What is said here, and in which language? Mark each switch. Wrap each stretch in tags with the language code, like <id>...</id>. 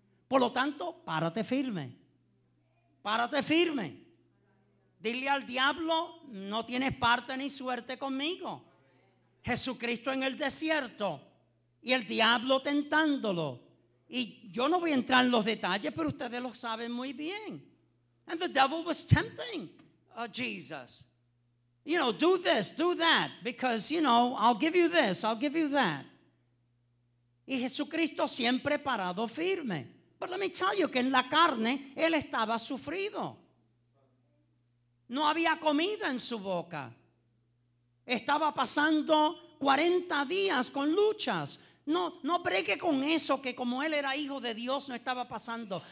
<es>Por lo tanto, párate firme. Párate firme. Dile al diablo: no tienes parte ni suerte conmigo. Jesucristo en el desierto y el diablo tentándolo. Y yo no voy a entrar en los detalles, pero ustedes lo saben muy bien.</es> <en>And the devil was tempting Jesus. You know, do this, do that, because, you know, I'll give you this, I'll give you that.</en> <es>Y Jesucristo siempre parado firme.</es> <en>But let me tell you</en> <es>que en la carne él estaba sufrido. No había comida en su boca. Estaba pasando 40 días con luchas. No bregue con eso, que como él era hijo de Dios no estaba pasando.</es>